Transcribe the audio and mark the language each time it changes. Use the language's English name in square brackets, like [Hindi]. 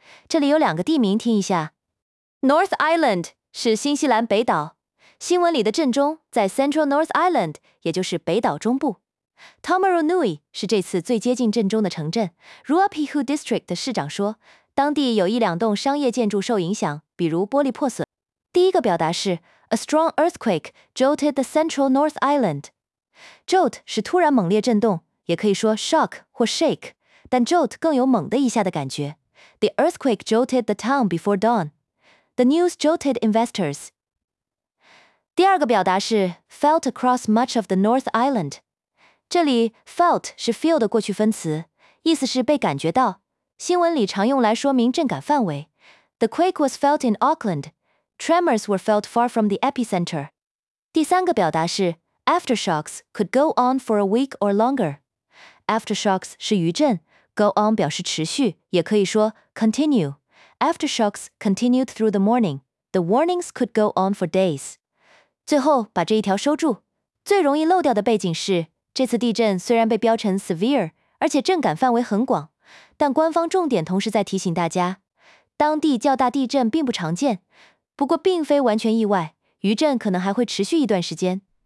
[Chinese] 这里有两个地名听一下。North Island 是新西兰北岛，新闻里的震中在 Central North Island， 也就是北岛中部。 Taumarunui 是这次最接近震中的城镇。Ruapehu District 的市长说当地有一两栋商业建筑受影响，比如玻璃破损。第一个表达是 [English] A strong earthquake jolted the central North Island. [Chinese] Jolt 是突然猛烈震动，也可以说 shock 或 shake， 但 jolt 更有猛的一下的感觉。 [English] The earthquake jolted the town before dawn. The news jolted investors. [Chinese] 第二个表达是 [English] felt across much of the North Island. [Chinese] 这里 felt 是 feel 的过去分词，意思是被感觉到，新闻里常用来说明震感范围。 [English] The quake was felt in AucklandTremors were felt far from the epicenter. [Chinese] 第三个表达是 [English] aftershocks could go on for a week or longer. [Chinese] Aftershocks 是余震， go on 表示持续，也可以说 continue. [English] Aftershocks continued through the morning. The warnings could go on for days. [Chinese] 最后把这一条收住。最容易漏掉的背景是，这次地震虽然被标成 severe， 而且震感范围很广，但官方重点同时在提醒大家，当地较大地震并不常见。不过并非完全意外，余震可能还会持续一段时间。